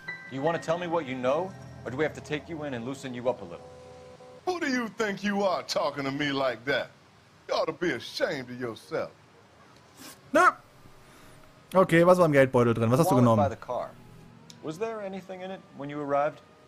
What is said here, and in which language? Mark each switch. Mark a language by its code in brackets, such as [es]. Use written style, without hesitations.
[en] Do you want to tell me what you know, or do we have to take you in and loosen you up a little? Who do you think you are talking to me like that? You ought to be ashamed of yourself. Na? [de] Okay, was war im Geldbeutel drin? Was hast du genommen? [en] Was there anything in it when you arrived?